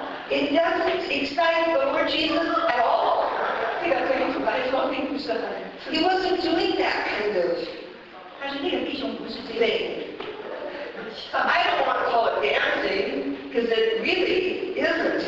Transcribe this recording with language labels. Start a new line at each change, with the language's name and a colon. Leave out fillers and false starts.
English: It doesn't excite the Lord Jesus at all.
Chinese: 这个对主来说并不是很。
English: He wasn't doing that kind of.
Chinese: 但是那个弟兄不是这样。
English: I don't want to call it dancing because it really isn't.